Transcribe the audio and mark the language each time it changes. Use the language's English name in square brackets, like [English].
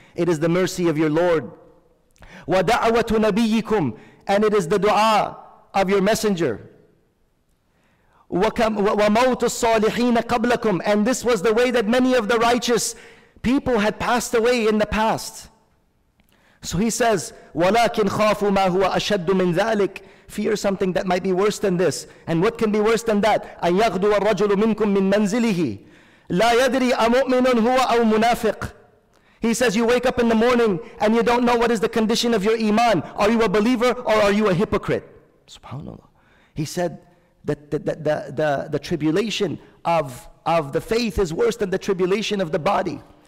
[English] It is the mercy of your Lord. [Arabic] وَدَعْوَةُ نَبِيِّكُمْ. [English] And it is the dua of your messenger. [Arabic] وَمَوْتُ الصَّالِحِينَ قَبْلَكُمْ. [English] And this was the way that many of the righteous people had passed away in the past. So he says, [Arabic] وَلَكِنْ خَافُوا مَا هُوَ أَشَدُّ مِنْ ذَلِكَ. [English] Fear something that might be worse than this. And what can be worse than that? [Arabic] أَنْ يَغْدُوَ الرَّجُلُ مِنْكُمْ مِنْ مَنْزِلِهِ لَا يَدْرِي أَمُؤْمِنٌ هُوَ أَوْ مُنَافِقٌ. [English] He says, you wake up in the morning and you don't know what is the condition of your iman. Are you a believer or are you a hypocrite? SubhanAllah. He said that the tribulation of the faith is worse than the tribulation of the body.